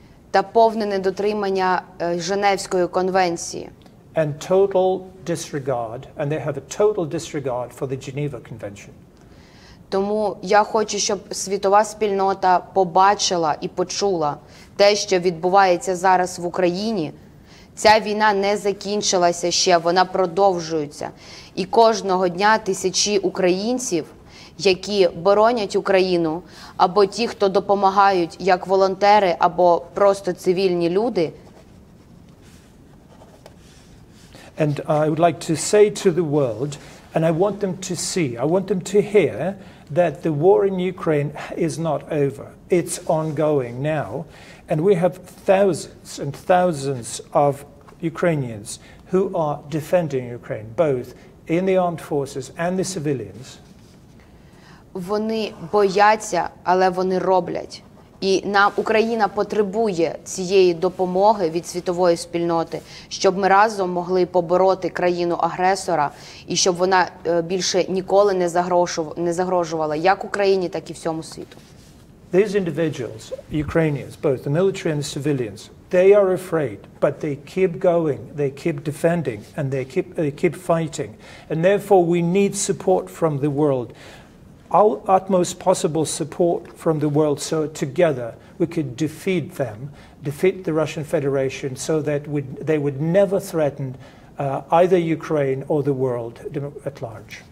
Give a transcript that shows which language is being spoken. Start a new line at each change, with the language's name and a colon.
Ukrainian: та повне недотримання Женевської конвенції
English: and total disregard and they have a total disregard for the Geneva Convention.
Ukrainian: Тому я хочу, щоб світова спільнота побачила і почула те, що відбувається зараз в Україні. Ця війна не закінчилася ще, вона продовжується. І кожного дня тисячі українців, які боронять Україну, або ті, хто допомагають, як волонтери, або просто цивільні люди.
English: And I would like to say to the world, and I want them to see, I want them to hear, that the war in Ukraine is not over. It's ongoing now. And we have thousands and thousands of Ukrainians who are defending Ukraine, both in the armed forces and the civilians.
Ukrainian: Вони бояться, але вони роблять. І нам Україна потребує цієї допомоги від світової спільноти, щоб ми разом могли побороти країну-агресора і щоб вона більше ніколи не загрожувала як Україні, так і всьому світу.
English: These individuals, Ukrainians, both the military and the civilians, they are afraid, but they keep going, they keep defending, and they keep fighting. And therefore, we need support from the world, our utmost possible support from the world, so together we could defeat them, defeat the Russian Federation, so that they would never threaten either Ukraine or the world at large.